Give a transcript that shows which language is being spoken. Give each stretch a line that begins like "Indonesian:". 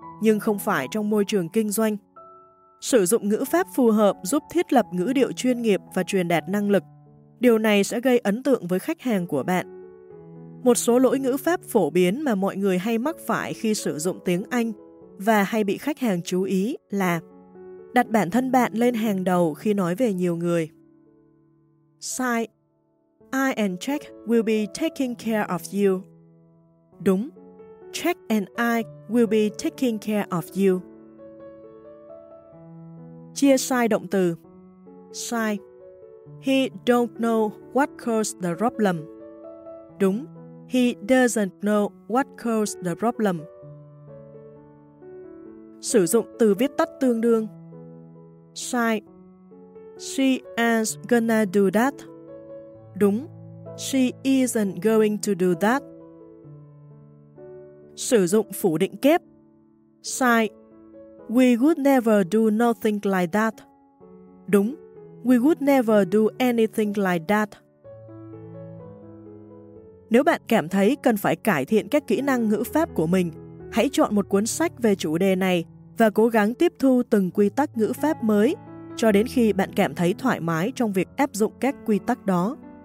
Vietnamese: nhưng không phải trong môi trường kinh doanh. Sử dụng ngữ pháp phù hợp giúp thiết lập ngữ điệu chuyên nghiệp và truyền đạt năng lực. Điều này sẽ gây ấn tượng với khách hàng của bạn. Một số lỗi ngữ pháp phổ biến mà mọi người hay mắc phải khi sử dụng tiếng Anh và hay bị khách hàng chú ý là đặt bản thân bạn lên hàng đầu khi nói về nhiều người. Sai.
English: I and Jack will be taking care of you.
Vietnamese: Đúng.
English: Jack and I will be taking care of you.
Vietnamese: Chia sai động từ. Sai.
English: He don't know what caused the problem.
Vietnamese: Đúng.
English: He doesn't know what caused the problem.
Vietnamese: Sử dụng từ viết tắt tương đương. Sai.
English: She is gonna do that.
Vietnamese: Đúng.
English: She isn't going to do that.
Vietnamese: Sử dụng phủ định kép. Sai.
English: We would never do nothing like that.
Vietnamese: Đúng.
English: We would never do anything like that.
Vietnamese: Nếu bạn cảm thấy cần phải cải thiện các kỹ năng ngữ pháp của mình, hãy chọn một cuốn sách về chủ đề này và cố gắng tiếp thu từng quy tắc ngữ pháp mới cho đến khi bạn cảm thấy thoải mái trong việc áp dụng các quy tắc đó.